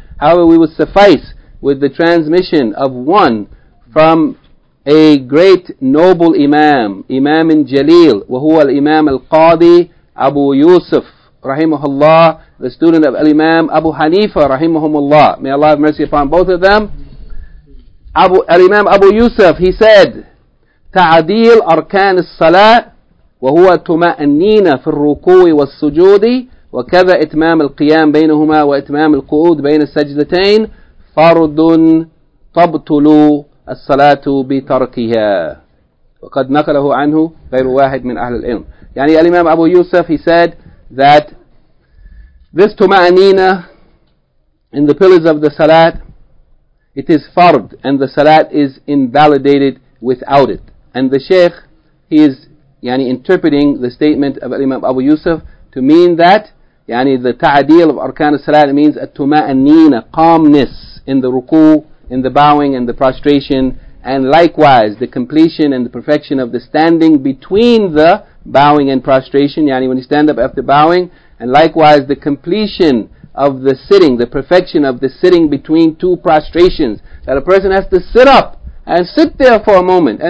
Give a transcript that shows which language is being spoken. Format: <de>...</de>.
<en>However, we will suffice with the transmission of one from a great noble Imam, Imam Jalil,</en> <ar>وَهُوَ الْإِمَامُ الْقَاضِي أَبُو يُوسُفُ رَحِمُهُ اللَّهُ,</ar> <en>the student of Al-Imam Abu Hanifa</en> <ar>رَحِمُهُمُ اللَّهُ.</ar> <en>May Allah have mercy upon both of them. Al-Imam Abu Yusuf, he said,</en> <ar>تَعَدِيلْ أَرْكَانِ الصَّلَاةِ وَهُوَ تُمَأَنِّينَ فِي الرُّكُوِ وَالسُّجُودِ وَكَذَا إِتْمَامِ الْقِيَامِ بَيْنَهُمَا وَإِتْمَامِ الْقُعُودِ بَيْنَ السَّجْدَتَيْنِ فَرْضٌ تَبْتُلُ الصَّلَاةُ بِتَرْكِهَا وَقَدْ نَقَلَهُ عَنْهُ غَيْرُ وَاحِدٍ مِنْ أَهْلِ الْعِلْمِ. يعني الإمام أبو يوسف,</ar> <en>he said that this tuma'anina in the pillars of the salat, it is fard, and the salat is invalidated without it. And the Shaykh, he is يعني interpreting the statement of Imam Abu Yusuf to mean that يعني the ta'adil of arkan al-salat means a tuma'anina, calmness in the ruku, in the bowing and the prostration, and likewise the completion and the perfection of the standing between the bowing and prostration, يعني when you stand up after bowing, and likewise the completion of the sitting, the perfection of the sitting between two prostrations, that a person has to sit up and sit there for a moment.</en>